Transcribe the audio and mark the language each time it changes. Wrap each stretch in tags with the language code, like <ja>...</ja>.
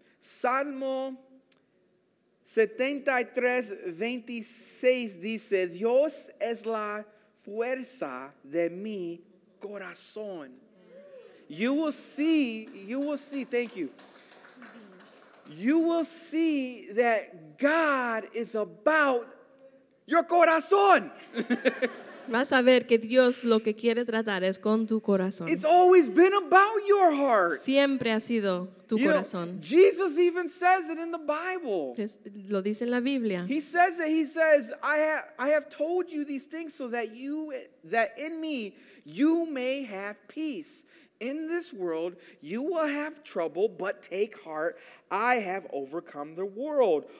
<es>Salmo 73:26 dice, Dios es la fuerza de mi corazón.</es> <en>You will see, thank you. You will see that God is about your corazón.</en> <es>Vas a ver que Dios lo que quiere tratar es con tu corazón.</es> <en>It's always been about your heart.</en> <es>Siempre ha sido tu corazón.</es> <en>Know, Jesus even says it in the Bible.</en> <es>Lo dice en la Biblia.</es> <en>He says that he says, I have told you these things so that in me you may have peace. In this world you will have trouble, but take heart, I have overcome the world.</en>